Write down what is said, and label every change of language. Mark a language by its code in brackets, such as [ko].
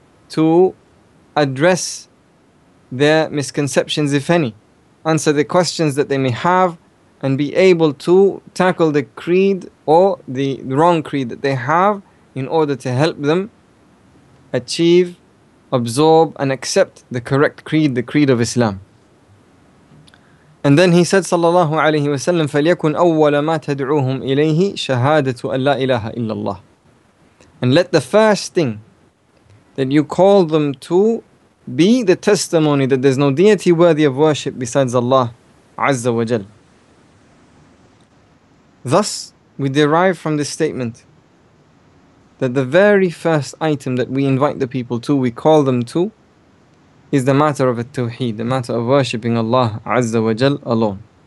[en] to address their misconceptions, if any, answer the questions that they may have, and be able to tackle the creed or the wrong creed that they have in order to help them achieve, absorb, and accept the correct creed, the creed of Islam. And then he said, [ar] sallallahu alayhi wa sallam, فَلْيَكُنْ أَوَّلَ مَا تَدْعُوهُمْ إِلَيْهِ شَهَادَةُ أَنْ لَا إِلَهَ إِلَّا اللَّهِ. [en] And let the first thing that you call them to be the testimony that there's no deity worthy of worship besides Allah Azza wa Jal. Thus, we derive from this statement that the very first item that we invite the people to, we call them to, is the matter of at-tawheed, the matter of worshipping Allah Azza wa Jal alone.